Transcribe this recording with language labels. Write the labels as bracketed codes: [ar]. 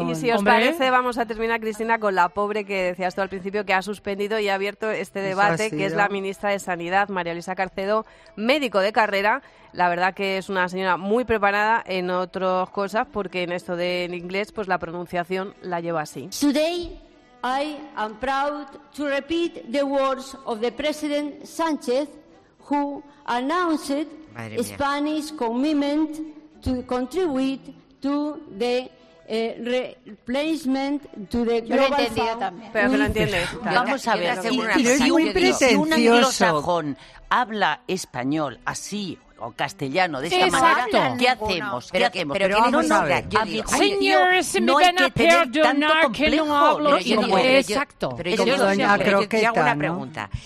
[es] Y si os parece, vamos a terminar, Cristina, con la pobre que decías tú al principio, que ha suspendido y ha abierto este debate, que es la ministra de Sanidad, María Luisa Carcedo, médico de carrera. La verdad que es una señora muy preparada en otras cosas, porque en esto del inglés, pues la pronunciación la lleva así. [en] Today I am proud to repeat the words of the President Sánchez, who announced Spanish commitment to contribute to the replacement to the global fund. [es] Pero que lo entiendes. Vamos a ver. Es muy pretencioso. Si un anglosajón habla español así o castellano de esta exacto. manera, ¿qué hacemos? Pero ¿qué hacemos? Pero ¿qué vamos a ver. Digo, señores, me van a perdonar que no hablo inglés. Exacto. Pero yo lo siento. Yo hago una pregunta.